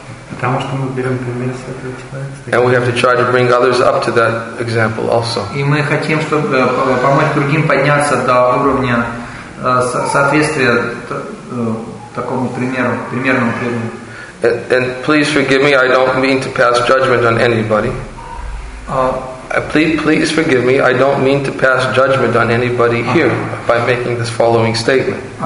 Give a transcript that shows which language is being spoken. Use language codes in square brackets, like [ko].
[ru] потому что мы берем пример с этого человека. [en] And we have to try to bring others up to that example also. [ru] И мы хотим, чтобы помочь другим подняться до уровня соответствия такому примеру, примерному примеру. [en] And please forgive me, I don't mean to pass judgment on anybody. Please forgive me. I don't mean to pass judgment on anybody here by making this following statement.